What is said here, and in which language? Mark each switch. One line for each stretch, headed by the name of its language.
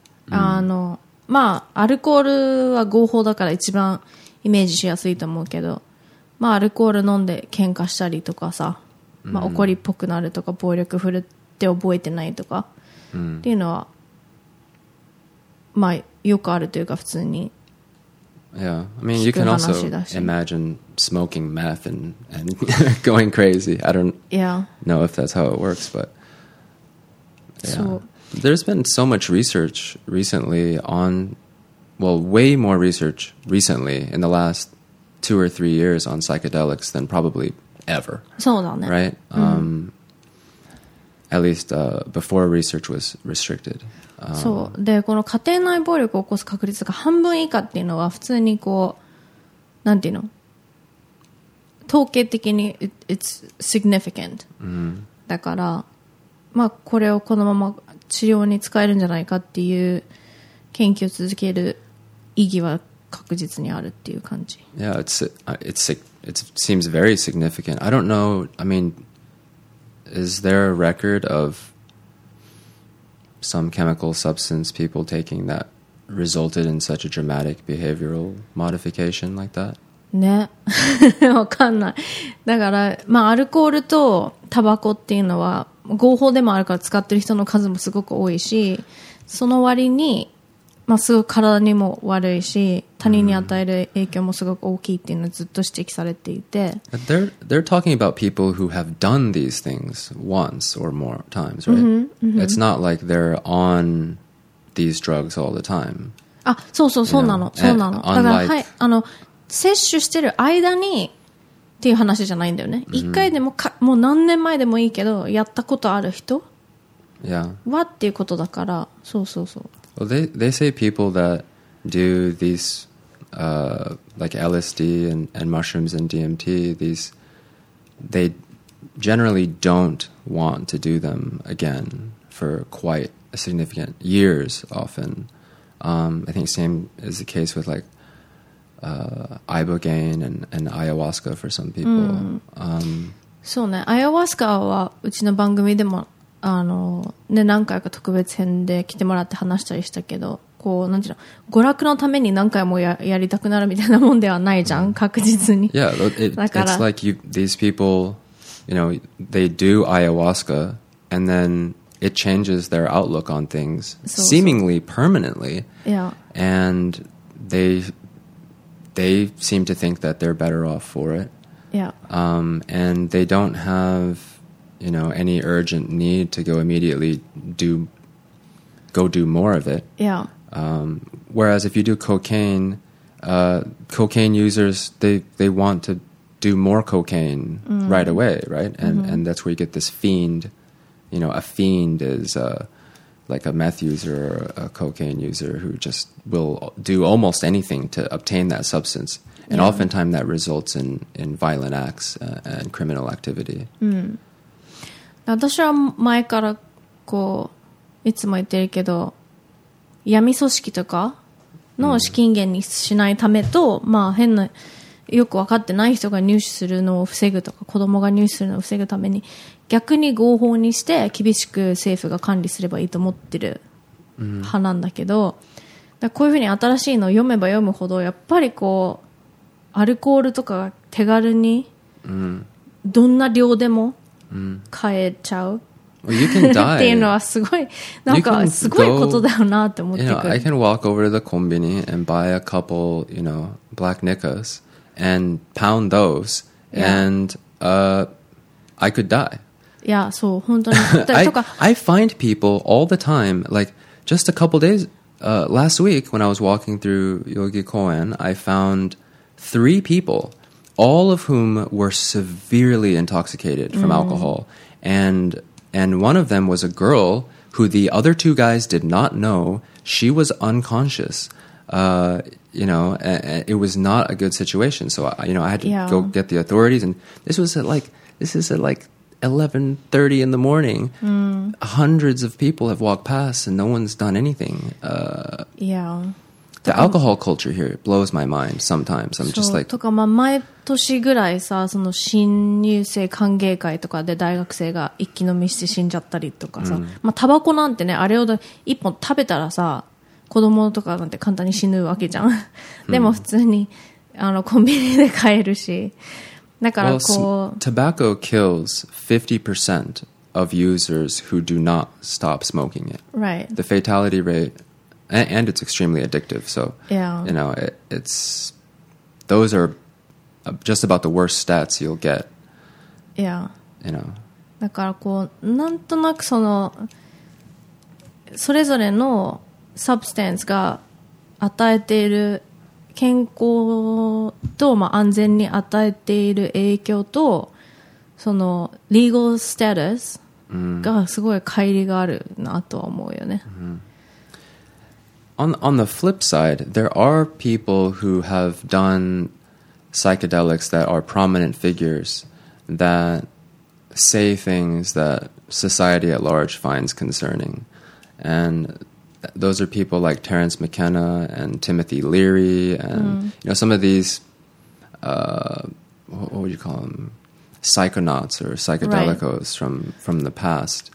Japanese: アルコールは合法だから一番イメージしやすいと思うけど、アルコール飲んで喧嘩したりとかさ。怒りっぽくなるとか、暴力振るって覚えてないとか、っていうのは、よくあるというか、普通に。
English: Yeah, I mean, you can also imagine smoking meth and going crazy. I don't know if that's how it works, but There's been so much research recently on, well, way more research recently in the last 2 or 3 years on psychedelics than probably ever.
Japanese: そうだね。
English: Right? At least before research was restricted.
Japanese: そう。で、この家庭内暴力を起こす確率が半分以下っていうのは普通にこう、なんていうの? 統計的に
English: it's significant、
Japanese: うん、だから、まあ、これをこのまま治療に使えるんじゃないかっていう研究を続ける意義は確実にあるっていう感じ。
English: Yeah, it seems very significant. I don't know, I mean, is there a record of some chemical substance people taking that resulted in such a dramatic behavioral modification like that?
Japanese: ね、わかんない。だから、まあ、アルコールとタバコっていうのは合法でもあるから使ってる人の数もすごく多いし、その割に、まあ、すごく体にも悪いし、他人に与える影響もすごく大きいっていうのはずっと指摘されていて。
English: But they're talking about people who have done these things once or more times, right? Mm-hmm, mm-hmm. It's not like they're on these drugs all the time.
Japanese: あ、そうそう、そうなの。そうなの。だから、はい、あの、摂取してる間にっていう話じゃないんだよね。一、mm-hmm. 回でもか、もう何年前でもいいけど、やったことある人、
English: yeah.
Japanese: はっていうことだから、そうそうそう。
English: Well, they say people that do these, like LSD and mushrooms and DMT, these, they generally don't want to do them again for quite a significant years often. I think same is the case with likeIbogaine and ayahuasca for some people.、
Japanese: うん、そうね。 ayahuasca はうちの番組でも、あの、ね、何回か特別編で来てもらって話したりしたけど、こう、なんていうの、娯楽のために何回も やりたくなるみたいなもんではないじゃん、確実に。 Yeah, だから。
English: It's like you, these people, you know, they do ayahuasca and then it changes their outlook on things seemingly permanently. Yeah. And they seem to think that they're better off for it. Yeah. And they don't have, you know, any urgent need to go immediately go do more of it. Yeah. Whereas if you do cocaine, cocaine users, they want to do more cocaine、mm. right away, right? And、mm-hmm. and that's where you get this fiend, you know, a fiend is like a meth user or a cocaine user who just will do almost anything to obtain that substance. And、yeah. oftentimes that results in violent acts and criminal activity.、
Japanese: うん、私は前からこういつも言ってるけど、闇組織とかの資金源にしないためと、うん、まあ変なよく分かってない人が入手するのを防ぐとか、子供が入手するのを防ぐために逆に合法にして厳しく政府が管理すればいいと思ってる派なんだけど、だこういうふうに新しいのを読めば読むほどやっぱりこうアルコールとかが手軽にどんな量でも買えちゃう、
English: well, you can die.
Japanese: っていうのはすごいなんかすごいことだよなって思ってくる。
English: You know, I can walk over to the konbini and buy a couple, you know, black knickers and pound those、yeah. and I could die Yeah, so
Japanese: 本当に
English: I find people all the time, like just a couple days, last week when I was walking through Yogi Koen, I found 3 people, all of whom were severely intoxicated from、mm. alcohol. And one of them was a girl who the other 2 guys did not know. She was unconscious, you know, and it was not a good situation. So, you know, I had to、yeah. go get the authorities, and this is at like,11:30 in the morning、 mm. hundreds of people have walked past and no one's done anything、 yeah. the alcohol culture here blows my mind sometimes. I'm just like
Japanese: とか、まあ、毎年ぐらいさ、その新入生歓迎会とかで大学生が一気飲みして死んじゃったりとかさ、mm. まあ、タバコなんてね、あれを一本食べたらさ、子供とかなんて簡単に死ぬわけじゃん。でも普通に、mm. あのコンビニで買えるし、だからこう、
English: well, tobacco kills 50% of users who do not stop smoking it. Right. The fatality rate, and it's extremely addictive. So, yeah. You know, it's, those are just about the worst stats you'll get. Yeah. You know.
Japanese: だからこう、なんとなくその、それぞれのサブスタンスが与えている健康と、まあ、安全に与えている影響とそのリーゴルステータスがすごい乖離があるなとは思うよね。
English: On the flip side, there are people who have done psychedelics that are prominent figures that say things that society at large finds concerning. And those are people like Terence McKenna and Timothy Leary and you know, some of these, what would you call them, psychonauts or psychedelicos from the past.